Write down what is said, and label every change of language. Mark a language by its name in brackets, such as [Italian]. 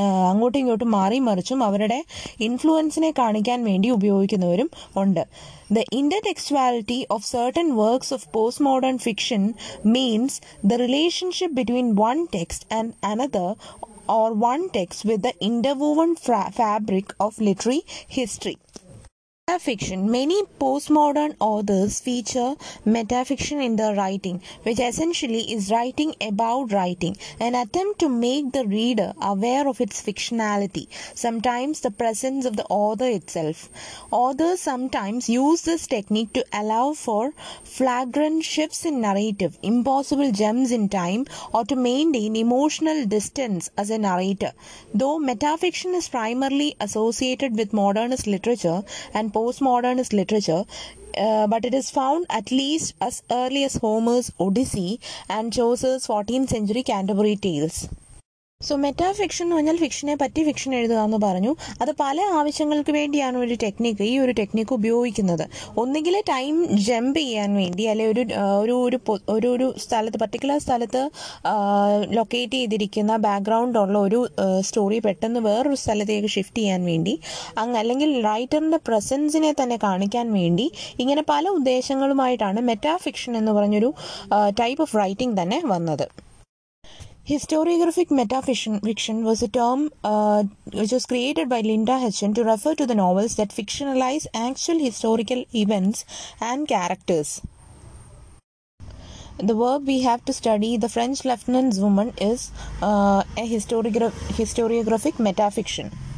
[Malayalam] അങ്ങോട്ടും ഇങ്ങോട്ടും മാറി മറിച്ചും അവരുടെ ഇൻഫ്ലുവൻസിനെ കാണിക്കാൻ വേണ്ടി ഉപയോഗിക്കുന്നവരും ഉണ്ട്. [English] The intertextuality of certain works of post modern fiction means the relationship between one text and another or one text with the interwoven fabric of literary history. Metafiction. Many postmodern authors feature metafiction in their writing, which essentially is writing about writing, an attempt to make the reader aware of its fictionality, sometimes the presence of the author itself. Authors sometimes use this technique to allow for flagrant shifts in narrative, impossible jumps in time, or to maintain emotional distance as a narrator. Though metafiction is primarily associated with modernist literature and postmodernist literature, but it is found at least as early as Homer's Odyssey and Chaucer's 14th century Canterbury Tales. [Malayalam] So metafiction എന്ന് പറഞ്ഞാൽ ഫിക്ഷനെ പറ്റി fiction എഴുതുക എന്ന് പറഞ്ഞു. അത് പല ആവശ്യങ്ങൾക്ക് വേണ്ടിയാണ് ഒരു ടെക്നിക്ക് ഈ ഒരു ടെക്നിക്ക് ഉപയോഗിക്കുന്നത്. ഒന്നുകിൽ ടൈം ജമ്പ് ചെയ്യാൻ വേണ്ടി, അല്ലെങ്കിൽ ഒരു ഒരു ഒരു ഒരു ഒരു സ്ഥലത്ത് പർട്ടിക്കുലർ സ്ഥലത്ത് ലൊക്കേറ്റ് ചെയ്തിരിക്കുന്ന ബാക്ക്ഗ്രൗണ്ട് ഉള്ള ഒരു സ്റ്റോറി പെട്ടെന്ന് വേറൊരു സ്ഥലത്തേക്ക് ഷിഫ്റ്റ് ചെയ്യാൻ വേണ്ടി, അല്ലെങ്കിൽ റൈറ്ററിൻ്റെ പ്രസൻസിനെ തന്നെ കാണിക്കാൻ വേണ്ടി, ഇങ്ങനെ പല ഉദ്ദേശങ്ങളുമായിട്ടാണ് മെറ്റാഫിക്ഷൻ എന്ന് പറഞ്ഞൊരു ടൈപ്പ് ഓഫ് റൈറ്റിംഗ് തന്നെ വന്നത്. [English] Historiographic metafiction was a term which was created by Linda Hutchin to refer to the novels that fictionalize actual historical events and characters. The work we have to study, The French Lieutenant's Woman, is a historiographic metafiction.